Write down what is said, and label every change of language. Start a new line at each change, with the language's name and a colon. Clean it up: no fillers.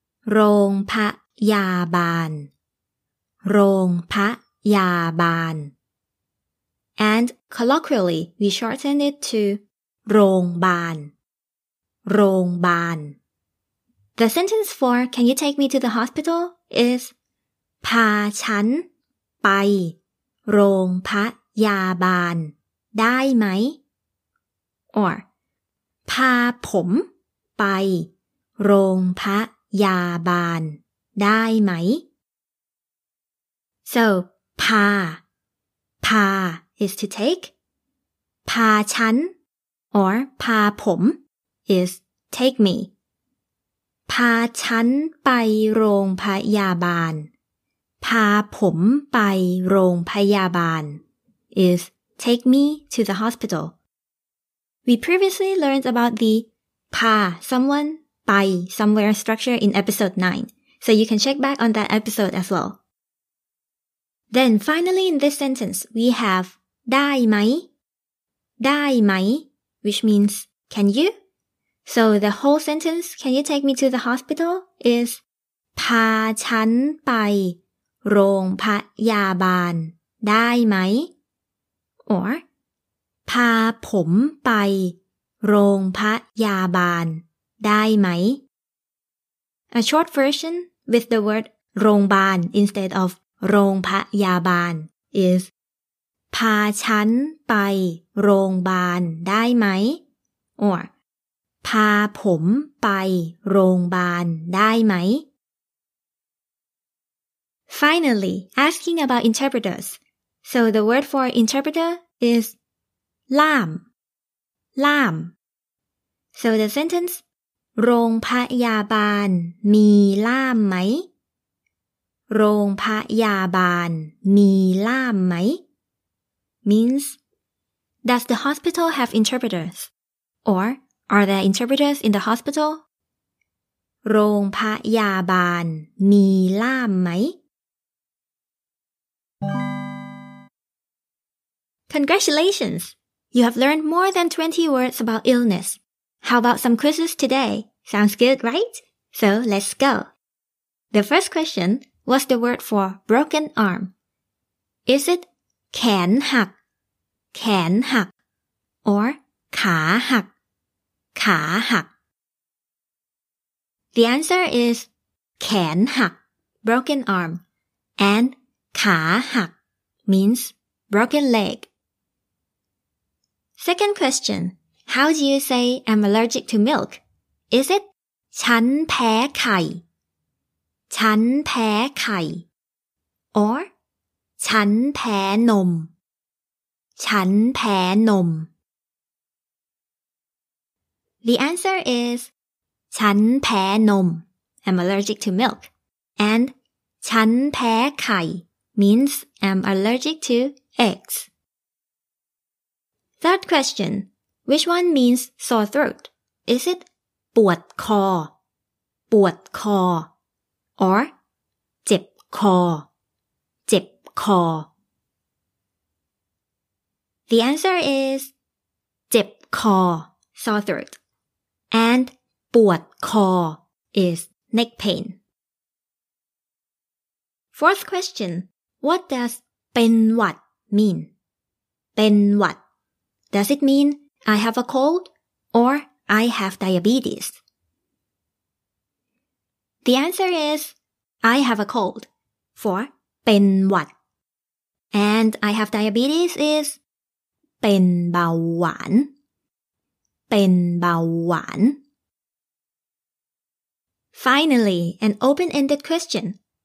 Thai: โรงพยาบาลโรงพยาบาล
English: And colloquially, we shorten it to
Thai: โรงบาลโรงบาล
English: The sentence for Can you take me to the hospital? Is
Thai: พาฉันไปโรงพยาบาลได้ไหม
English: Or,
Thai: พาผมไปโรงพยาบาลได้ไหม
English: So, พาพา is to take.
Thai: พาฉัน
English: or พาผม is take me.
Thai: พาฉันไปโรงพยาบาลพาผมไปโรงพยาบาล
English: is take me to the hospital. We previously learned about the พา someone, ไป somewhere structure in episode 9. So you can check back on that episode as well. Then finally in this sentence, we have
Thai: ได้ไหม? ได้ไหม?
English: Which means, can you? So the whole sentence, can you take me to the hospital? Is
Thai: พาฉันไปโรงพยาบาลได้ไหม?
English: Or,
Thai: พาผมไปโรงพยาบาลได้ไหม
English: A short version with the word โรงบาล instead of โรงพยาบาล is
Thai: พาฉันไปโรงบาลได้ไหม
English: or
Thai: พาผมไปโรงบาลได้ไหม
English: Finally, asking about interpreters. So the word for interpreter is.
Thai: ล่ามล่าม
English: So the sentence
Thai: โรงพยาบาลมีล่ามไหมโรงพยาบาลมีล่ามไหม
English: means Does the hospital have interpreters? Or are there interpreters in the hospital?
Thai: โรงพยาบาลมีล่ามไหม
English: Congratulations! You have learned more than 20 words about illness. How about some quizzes today? Sounds good, right? So let's go. The first question, what's the word for broken arm? Is it
Thai: แขนหัก
English: แขนหัก or ขาหักขาหัก The answer is แขนหัก broken arm and ขาหัก means broken leg. Second question, how do you say I'm allergic to milk? Is it
Thai: ฉันแพ้ไข่ฉันแพ้ไข่ or ฉันแพ้นมฉันแพ้นม
English: The answer is
Thai: ฉันแพ้นม
English: I'm allergic to milk and
Thai: ฉันแพ้ไข่
English: means I'm allergic to eggs Third question which one means sore throat is it ปวดคอปวดคอ or เจ็บคอเจ็บคอThe answer is เจ็บคอ sore throat and ปวดคอ is neck pain. Fourth question, what does เป็นหวัด mean? เป็นหวัด Does it mean I have a cold or I have diabetes? The answer is I have a cold for เป็นหวัด and I have diabetes isเป็นเบาหวานเป็นเบาหวาน Finally, an open-ended question.